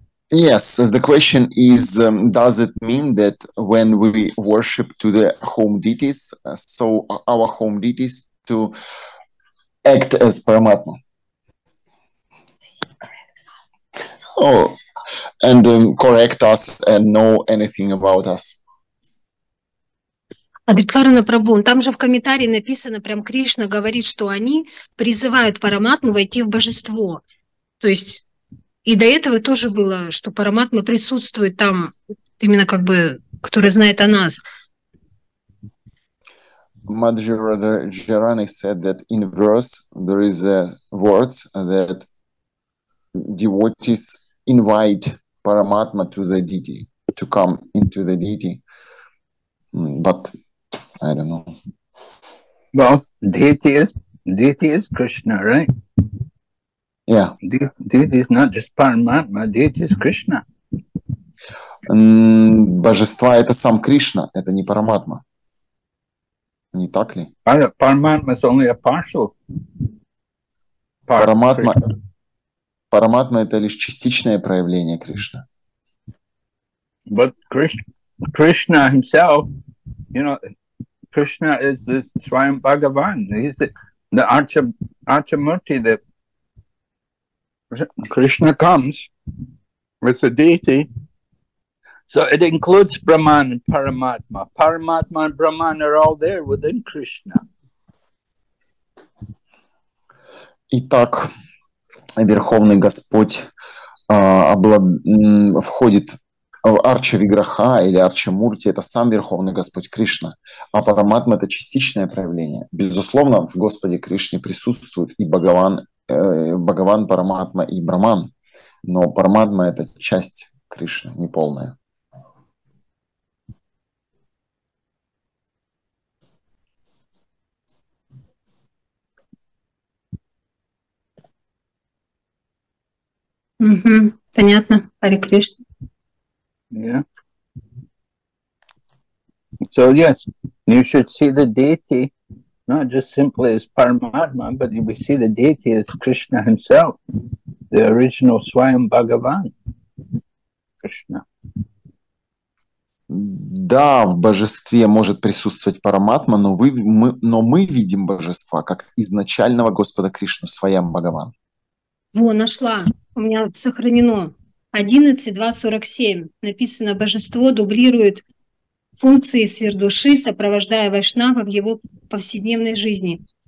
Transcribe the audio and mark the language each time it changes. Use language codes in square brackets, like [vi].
[en] Yes, the question is, does it mean that when we worship to the home deities, so our home deities to act as Paramatma? Oh, and correct us and know anything about us. [ru] Адхитхарана Прабху, там же в комментарии написано, прям Кришна говорит, что они призывают Параматму войти в божество. То есть и до этого тоже было, что Параматма присутствует там, именно как бы, который знает о нас. [en] Madhvrajarani said that in verse there is a words that devotees invite Paramatma to the deity, to come into the deity. But I don't know. Well, deity is Krishna, right? Yeah. Deity is not just Paramatma, deity is Krishna. [ru] Божества – это сам Кришна, это не Параматма. Не так ли? [en] Параматма is only a partial part. [ru] Параматма – это лишь частичное проявление Кришны. [en] But Krishna himself, you know, Krishna is the Swayam Bhagavan. He's the Archamurti. That Krishna comes with the deity. So it includes Brahman and Paramatma. Paramatma and Brahman are all there within Krishna. [ru] Итак, Верховный Господь входит Арча Виграха или Арча Мурти – это сам Верховный Господь Кришна, а Параматма – это частичное проявление. Безусловно, в Господе Кришне присутствует и Бхагаван, Бхагаван Параматма и Брахман, но Параматма – это часть Кришны, неполная. Понятно, Хари Кришна. [en] Yeah. So yes, you should see the deity not just simply as Paramatma, but we see the deity as Krishna himself, the original Swayam Bhagavan, Krishna. [ru] Да, в божестве может присутствовать Параматма, но мы видим божество как изначального Господа Кришну, Свайам Бхагаван. Во, нашла. У меня сохранено. 11.2.47 написано: божество дублирует функции свердуши, сопровождая вайшнава в его повседневной жизни.